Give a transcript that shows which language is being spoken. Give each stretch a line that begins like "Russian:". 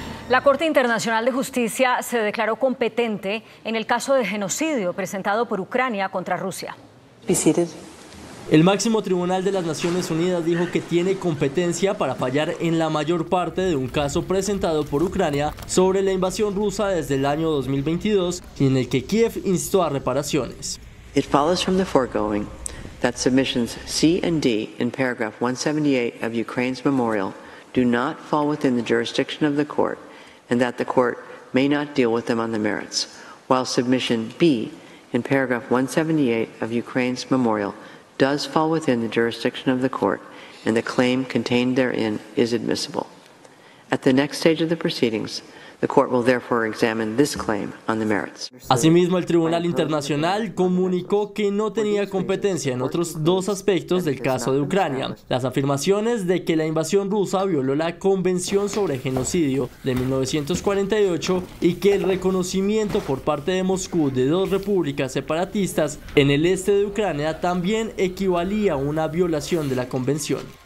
Spanish: La Corte Internacional de Justicia se declaró competente en el caso de genocidio presentado por Ucrania contra Rusia. El máximo tribunal de las Naciones Unidas dijo que tiene competencia para fallar en la mayor parte de un caso presentado por Ucrania sobre la invasión rusa desde el año 2022 y en el que Kiev instó a reparaciones.
English: It follows from the foregoing that submissions C and D in paragraph 178 of Ukraine's memorial do not fall within the jurisdiction of the court and that the court may not deal with them on the merits, while submission B in paragraph 178 of Ukraine's memorial does fall within the jurisdiction of the court and the claim contained therein is admissible. At the next stage of the proceedings, the court will therefore examine this claim on the merits.
Spanish: Asimismo, el Tribunal Internacional comunicó que no tenía competencia en otros dos aspectos del caso de Ucrania: las afirmaciones de que la invasión rusa violó la Convención sobre Genocidio de 1948 y que el reconocimiento por parte de Moscú de dos repúblicas separatistas en el este de Ucrania también equivalía a una violación de la Convención.